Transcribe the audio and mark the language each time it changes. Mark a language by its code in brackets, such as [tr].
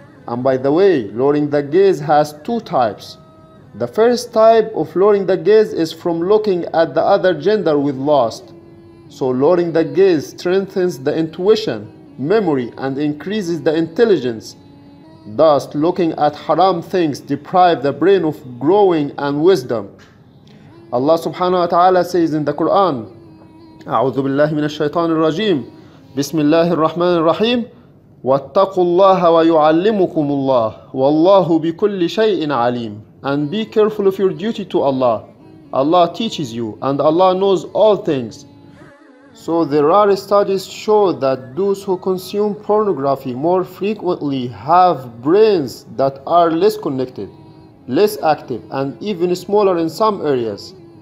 [en] And by the way, lowering the gaze has two types. The first type of lowering the gaze is from looking at the other gender with lust. So lowering the gaze strengthens the intuition, memory, and increases the intelligence. Thus, looking at haram things deprive the brain of growing and wisdom. Allah subhanahu wa ta'ala says in the Quran, [ar] أعوذ بالله من الشيطان الرجيم بسم الله الرحمن الرحيم واتقوا الله ويعلمكم الله والله بكل شيء عليم. [en] And be careful of your duty to Allah. Allah teaches you and Allah knows all things. So there are studies show that those who consume pornography more frequently have brains that are less connected, less active, and even smaller in some areas.